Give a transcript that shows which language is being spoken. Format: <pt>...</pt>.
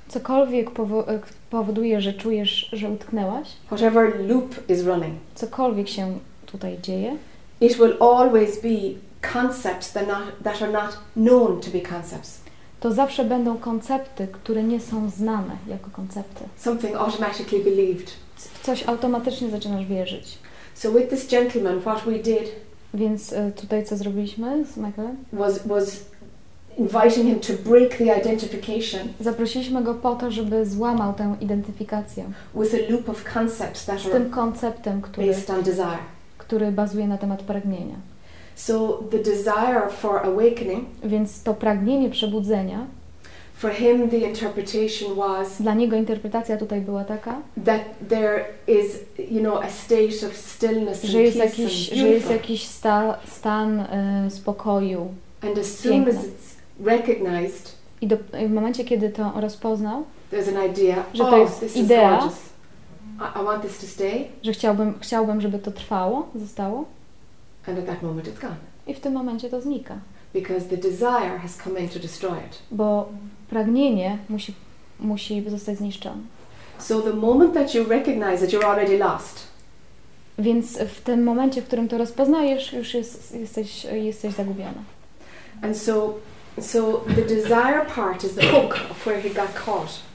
<pl>Cokolwiek powoduje, że czujesz, że utknęłaś.</pl> <en>Whatever loop is running.</en> <pl>Cokolwiek się tutaj dzieje.</pl> <en>It will always be concepts that are not known to be concepts.</en> <pl>To zawsze będą koncepty, które nie są znane jako koncepty.</pl> <en>Something automatically believed.</en> <pl>Coś automatycznie zaczynasz wierzyć.</pl> <en>So with this gentleman, what we did.</en> <pl>Więc tutaj co zrobiliśmy z Michaelem?</pl> <en>Was inviting him to break the identification.</en> <pl>Zaprosiliśmy go po to, żeby złamał tę identyfikację.</pl> <en>With a loop of concepts that</en> <pl>z tym konceptem, który bazuje na temat pragnienia.</pl> <en>So the desire for awakening.</en> <pl>Więc to pragnienie przebudzenia.</pl> <en>For him the interpretation was.</en> <pl>Dla niego interpretacja tutaj była taka.</pl> <en>That there is, you know, a state of stillness.</en> <pl>Że jest jakiś, stan spokoju.</pl> <en>And as soon as it's recognized,</en> <pl>w momencie kiedy to rozpoznał,</pl> <en>there's an idea.</en> <pl>Że to jest</pl> <en>this idea. Is gorgeous. I want this to stay.</en> <pl>Że chciałbym, żeby to trwało, zostało.</pl> <en>And at that moment it's gone.</en> <pl>I w tym momencie to znika.</pl> <en>Because the desire has come in to destroy it.</en> <pl>Bo pragnienie musi zostać zniszczone.</pl> <en>So the moment that you recognize that you're already lost.</en> <pl>Więc w tym momencie, w którym to rozpoznajesz, już jesteś zagubiona.</pl> <en>And so So the desire part is the hook of where he got caught.</en>